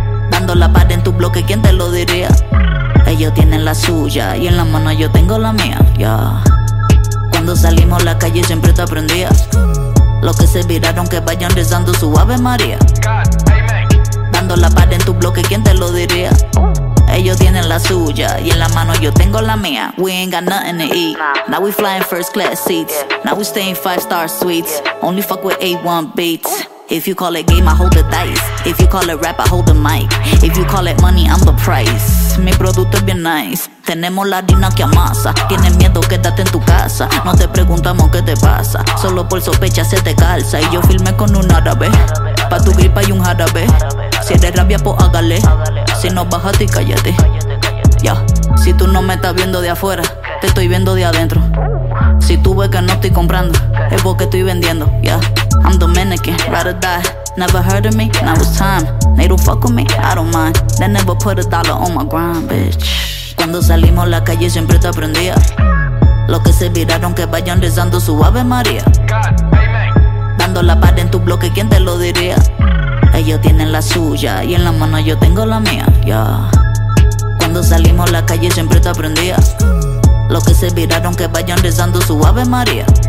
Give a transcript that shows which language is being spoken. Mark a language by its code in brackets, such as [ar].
[es] Dando la par en tu bloque, ¿quién te lo diría? Ellos tienen la suya y en la mano yo tengo la mía. Cuando salimos a la calle siempre te aprendía. Los que se viraron que vayan rezando su Ave María. Dando la par en tu bloque, ¿quién te lo diría? Ellos tienen la suya y en la mano yo tengo la mía. [en] We ain't got nothing to eat. Now we flying first class seats. Now we staying 5-star suites. Only fuck with A1 beats. If you call it game, I hold the dice. If you call it rap, I hold the mic. If you call it money, I'm the price. [es] Mi producto es bien nice. Tenemos la harina que amasa. Tienes miedo, quédate en tu casa. No te preguntamos qué te pasa. Solo por sospecha se te calza. Y yo filmé con un árabe. Pa' tu gripa y un jarabe. Si eres rabia, pues hágale. Si no, bájate y cállate. Si tú no me estás viendo de afuera, te estoy viendo de adentro. Si tú ves que no estoy comprando, es porque estoy vendiendo. [en] I'm Dominican, ride or die. Never heard of me, now it's time. They don't fuck with me, I don't mind. They never put a dollar on my grind, bitch. [es] Cuando salimos a la calle siempre te aprendía. Los que se viraron que vayan rezando su Ave María. Dando la par en tu bloque, ¿quién te lo diría? Ellos tienen la suya y en la mano yo tengo la mía. Cuando salimos a la calle siempre te aprendía. Los que se viraron que vayan rezando su Ave María.